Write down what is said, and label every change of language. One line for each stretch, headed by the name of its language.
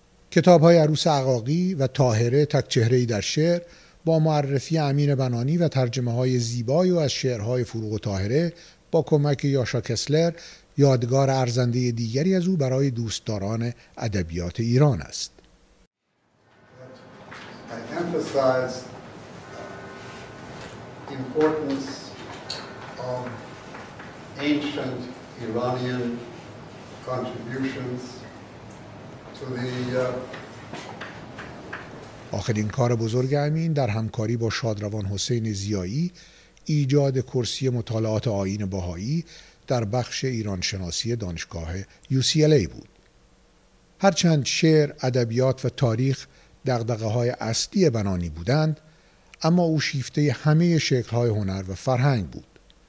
Persian: کتاب‌های عروس عقاقی و طاهره تک چهره‌ای در شعر با معرفی امین بنانی و ترجمه‌های زیبایی از شعرهای فروغ و طاهره با کمک یاشا کسلر یادگار ارزنده دیگری از او برای دوستداران ادبیات ایران است.
English: I emphasize the importance of ancient Iranian contributions to the
Persian: آخرین کار بزرگ امین در همکاری با شادروان حسین ضیایی ایجاد کرسی مطالعات آیین بهائی در بخش ایران شناسی دانشگاه UCLA بود. هرچند شعر، ادبیات و تاریخ دغدغه‌های اصلی بنانی بودند، اما او شیفته همه شکل‌های هنر و فرهنگ بود.